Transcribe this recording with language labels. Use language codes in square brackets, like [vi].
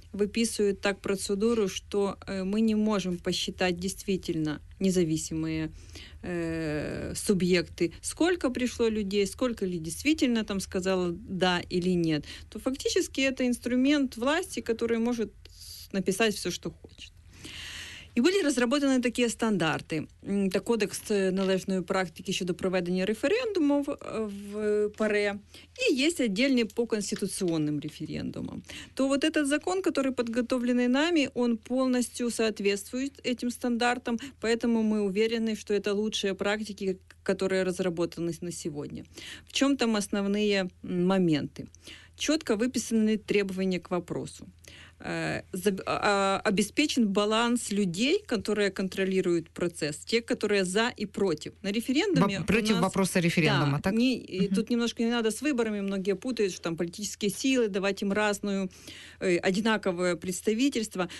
[ru] выписывают так процедуру, что мы не можем посчитать действительно независимые субъекты, сколько пришло людей, сколько ли действительно там сказало «да» или «нет», то фактически это инструмент власти, который может написать все, что хочет. И были разработаны такие стандарты. [uk] Та кодекс належної практики щодо проведення референдумів в ПАРЕ. І є віддільні по конституційним референдумам. То от цей закон, який підготовлений нами, він повністю відповідає цим стандартам, тому ми впевнені, що це кращі практики, які розроблені на сьогодні. В чому там основні моменти? Чітко виписані требування [ru] к вопросу. Обеспечен баланс людей, которые контролируют процесс, те, которые за и против. На референдуме против нас... вопроса референдума, да, так? Не, и тут немножко не надо с выборами, многие путают, что там политические силы, давать им разную, одинаковое представительство.